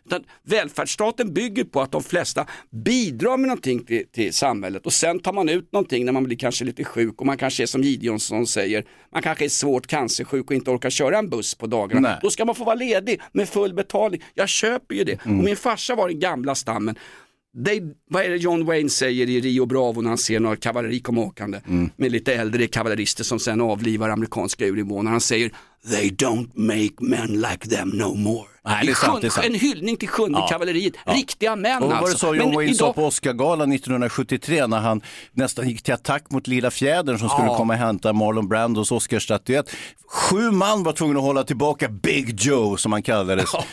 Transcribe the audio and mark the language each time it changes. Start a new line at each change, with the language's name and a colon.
Swedish: Utan välfärdsstaten bygger på att de flesta bidrar med någonting till samhället, och sen tar man ut någonting när man blir kanske lite sjuk, och man kanske är som Gideonsson säger, man kanske är svårt cancersjuk och inte orkar köra en buss på dagarna. Nej. Då ska man få vara ledig med full betalning. Jag köper ju det. Mm. Och min farsa var den gamla stammen. Vad är det John Wayne säger i Rio Bravo när han ser några kavalleri komma åkande med lite äldre kavallerister som sen avlivar amerikanska urinvånare? Han säger,
English: they don't make men like them no more.
Swedish: Nej, det är sant, det är sant. En hyllning till sjunde kavalleriet. Ja. Riktiga män. Och vad alltså. Det sa John Wayne idag... sa på Oscargalan 1973 när han nästan gick till attack mot Lilla Fjädern som skulle komma och hämta Marlon Brandos Oscarsstatyett. 7 man var tvungna att hålla tillbaka Big Joe, som han kallades.